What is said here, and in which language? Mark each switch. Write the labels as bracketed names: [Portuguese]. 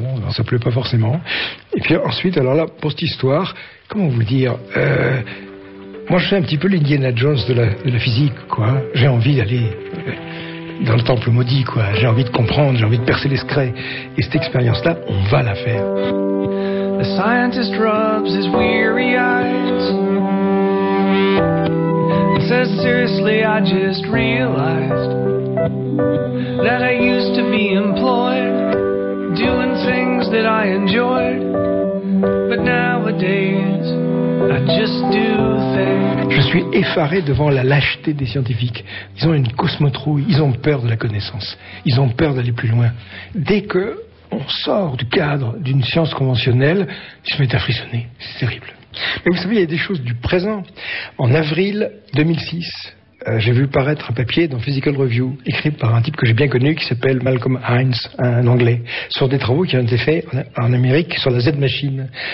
[French] Bon, alors, ça plaît pas forcément. Et puis ensuite, alors là, pour cette histoire, comment vous dire, moi je fais un petit peu l'Indiana Jones de la physique, quoi. J'ai envie d'aller dans le temple maudit, quoi. J'ai envie de comprendre, j'ai envie de percer les secrets. Et cette expérience-là, on va la faire. [English] The scientist rubs his weary eyes and says, seriously, I just realized that I used to be employed doing things that I enjoyed, but nowadays I just do things. [French] Je suis effaré devant la lâcheté des scientifiques. Ils ont une cosmotrouille, ils ont peur de la connaissance, ils ont peur d'aller plus loin. Dès qu'on sort du cadre d'une science conventionnelle, ils se mettent à frissonner. C'est terrible. Mais vous savez, il y a des choses du présent. En avril 2006, j'ai vu paraître un papier dans Physical Review, écrit par un type que j'ai bien connu, qui s'appelle Malcolm Hines, un anglais, sur des travaux qui ont été faits en Amérique sur la Z-machine.